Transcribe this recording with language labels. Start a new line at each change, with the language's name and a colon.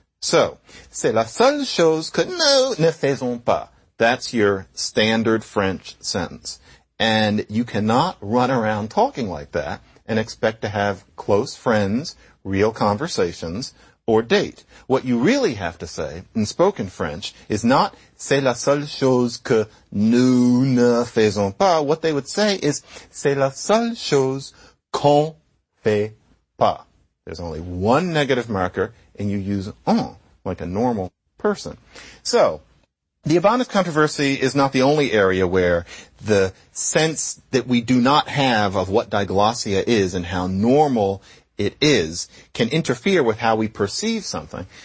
French: So, c'est la seule chose que nous ne faisons pas.
English: That's your standard French sentence. And you cannot run around talking like that and expect to have close friends, real conversations, or date. What you really have to say in spoken French is not
French: c'est la seule chose que nous ne faisons pas.
English: What they would say is
French: c'est la seule chose qu'on fait pas.
English: There's only one negative marker and you use on like a normal person. So, the Ibanez controversy is not the only area where the sense that we do not have of what diglossia is and how normal it is, can interfere with how we perceive something.